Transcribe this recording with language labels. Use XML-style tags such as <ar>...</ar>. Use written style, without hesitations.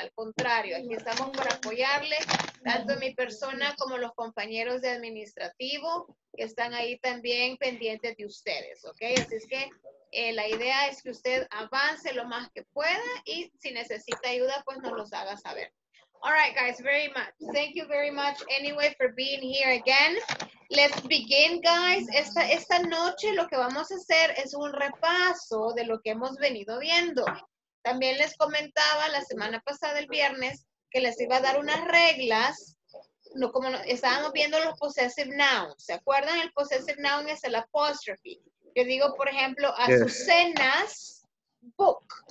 <es>Al contrario, aquí estamos para apoyarle, tanto mi persona como los compañeros de administrativo que están ahí también pendientes de ustedes, ¿ok? Así es que la idea es que usted avance lo más que pueda y si necesita ayuda, pues nos los haga saber.</es> <en>All right, guys, very much. Thank you very much anyway for being here again. Let's begin, guys.</en> <es>Esta noche lo que vamos a hacer es un repaso de lo que hemos venido viendo. También les comentaba la semana pasada, el viernes, que les iba a dar unas reglas no, como no, estábamos viendo los possessive nouns. ¿Se acuerdan? El possessive noun es el apostrophe. Yo digo, por ejemplo, Azucena's book.</es>